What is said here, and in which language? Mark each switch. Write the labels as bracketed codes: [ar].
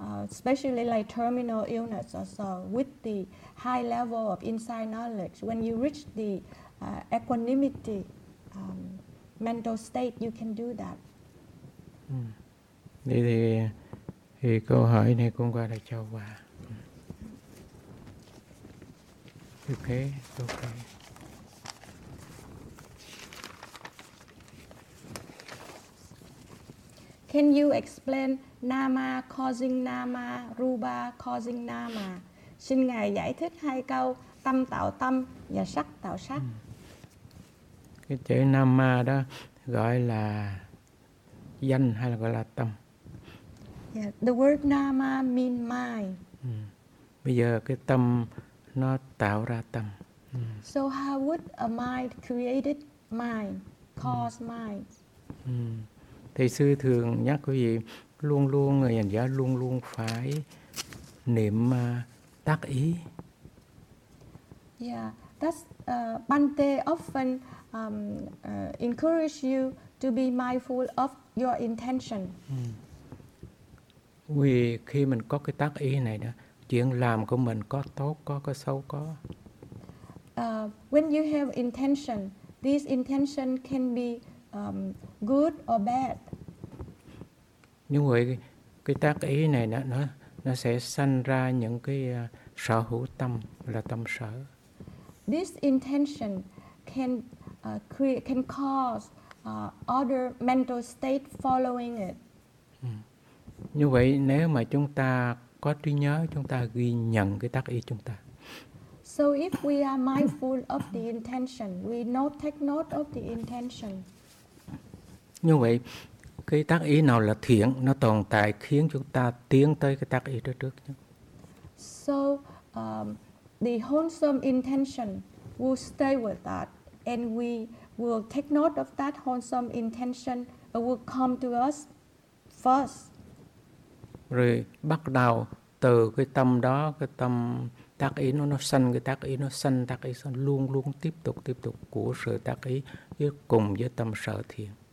[en] Especially like terminal illness or so, with the high level of inside knowledge, when you reach the equanimity mental state, you can do that. [vi] Thì câu hỏi này cũng qua đây cho qua. [en] Okay. Can you explain nama causing nama, rupa causing nama? [vi] Xin ngài giải thích hai câu tâm tạo tâm và sắc tạo sắc. Cái chữ nama đó gọi là danh hay là gọi là tâm? [en] Yeah, the word nama mean mind. [vi] Bây giờ cái tâm nó tạo ra tâm. [en] So how would a mind created mind cause mind? [vi] Thầy sư thường nhắc quý vị luôn luôn, người hành giả luôn luôn phải niệm tác ý. [en] Yeah, that's Bhante often encourage you to be mindful of your intention. [vi] Vì khi mình có cái tác ý này đó, chuyện làm của mình có tốt, có xấu có. [en] When you have intention, this intention can be good or bad. [vi] Nhưng vậy cái tác ý này nó sẽ sanh ra những cái sở hữu tâm là tâm sở. [en] This intention can cause other mental state following it. [vi] Như vậy nếu mà chúng ta có trí nhớ, chúng ta ghi nhận cái tác ý chúng ta. [en] So if we are mindful of the intention, we take note of the intention. [vi] Như vậy cái tác ý nào là thiện, nó tồn tại khiến chúng ta tiến tới cái tác ý đó trước. [en] So, the wholesome intention will stay with that, and we will take note of that wholesome intention that will come to us first. [vi] Rồi bắt đầu từ cái tâm đó, cái tâm tác ý nó sanh, cái tác ý nó sanh, tác ý sanh, luôn luôn tiếp tục của sự tác ý với cùng với tâm sở thiện.